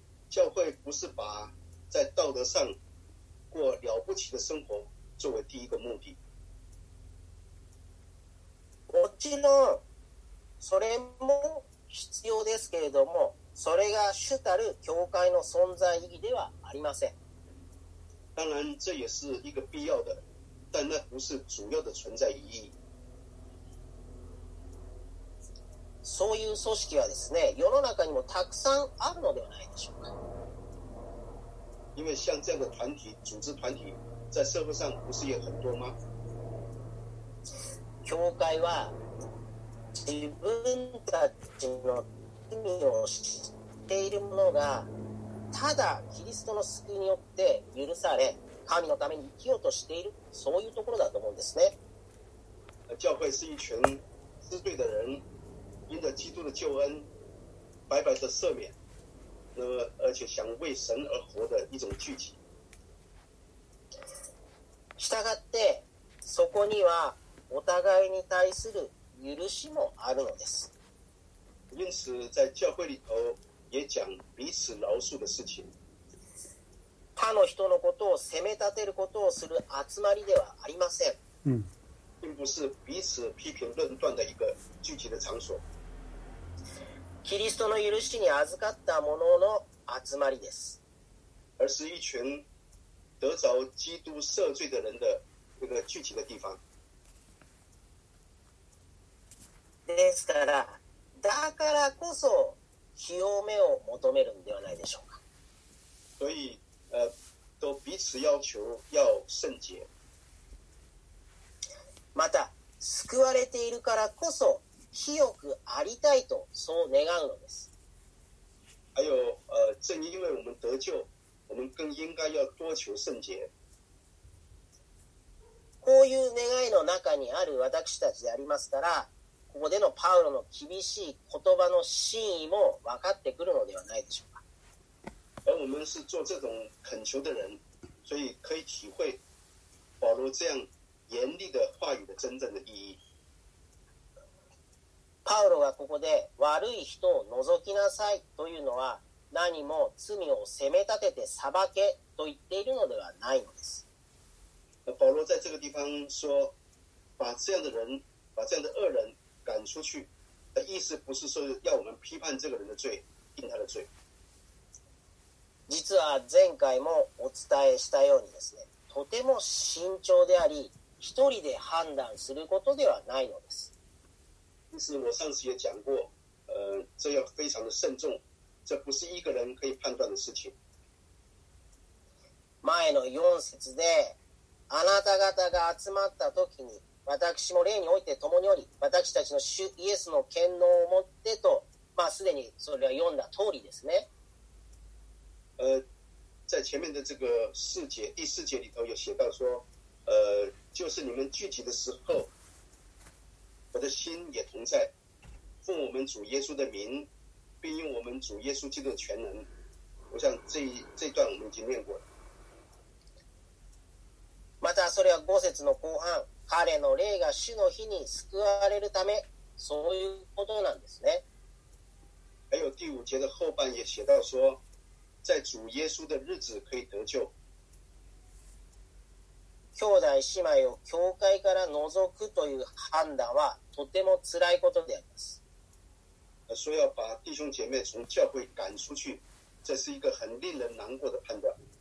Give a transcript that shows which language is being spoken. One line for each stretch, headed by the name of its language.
Chinese: 教会不是把在道德上过了不起的生活作为第一个目的。
Japanese: もちろんそれも必要ですけれども、それが主たる教会の存在意義ではありません。
Chinese: 当然这也是一个必要的，但那不是主要的存在意义。
Japanese: そういう組織はですね、世の中にもたくさんあるのではないでしょうか。
Chinese: 因为像这样的团体、组织团体，在社会上不是也很多吗？
Japanese: 教会は自分たちの罪を知っている者が、ただキリストの救いによって許され、神のために生きようとしている、そういうところだと思うんですね。
Chinese: 教会是一群知罪的人，因着基督的救恩，白白的赦免。而且想为神而活的一种聚集。
Japanese: したがってそこにはお互いに対する許しもあるのです。
Chinese: 因此在教会里头也讲彼此饶恕的事情。
Japanese: 他の人のことを責め立てることをする集まりではありません。
Chinese: 并不是彼此批评论断的一个聚集的场所。
Japanese: キリストの許しに預かった者の集まりです。
Chinese: 而是一群得着基督赦罪的人的一个聚集的地方。
Japanese: ですから、だからこそ清めを求めるんではないでしょうか。
Chinese: 所以、都彼此要求要圣洁。
Japanese: 救われているからこそ清くありたいとそう願うのです。
Chinese: 还有正因为我们得救我们更应该要多求圣洁。
Japanese: こういう願いの中にある私たちでありますから、ここでのパウロの厳しい言葉の真意も分かってくるのではないでしょうか。
Chinese: 而我们是做这种恳求的人，所以可以体会保罗这样严厉的话语的真正的意义。
Japanese: パウロがここで悪い人を除きなさいというのは、何も罪を責め立てて裁けと言っているのではないのです。
Chinese: 保罗在这个地方说，把这样的人，把这样的恶人赶出去，的意思不是说要我们批判这个人的罪，定他的罪。
Japanese: 実は前回もお伝えしたようにですね、とても慎重であり、一人で判断することではないのです。
Chinese: 但是我上次也讲过，这要非常的慎重，这不是一个人可以判断的事情。
Japanese: 前の4節で、あなた方が集まった時に、私も霊において共におり、私たちの主イエスの権能をもってと、まあすでにそれは読んだ通りですね。
Chinese: 在前面的这个四节第四节里头有写到说，就是你们聚集的时候。我的心也同在，奉我们主耶稣的名，并用我们主耶稣基督的全能。我想这一段我们已经念过了。
Japanese: またそれは五節の後半、彼の霊が主の日に救われるため、そういうことなんですね。
Chinese: 还有第五节的后半也写到说，在主耶稣的日子可以得救。
Japanese: 兄弟姉妹を教会から除くという判断はとても辛いことであります。
Chinese: 所以要把弟兄姐妹从教会赶出去，这是一个很令人难过的判断。